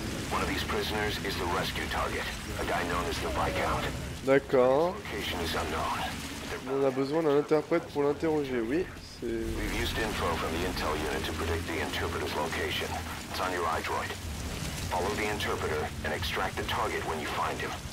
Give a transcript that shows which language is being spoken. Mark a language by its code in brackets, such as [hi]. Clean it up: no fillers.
[en] One of these prisoners is the rescue target, a guy known as the Viscount. [fr] D'accord. [en] Location is unknown. [fr] On a besoin d'un interprète pour l'interroger, oui. C'est... [en] We've used info from the intel unit to predict the interpreter's location. It's on your iDroid. Follow the interpreter and extract the target when you find him.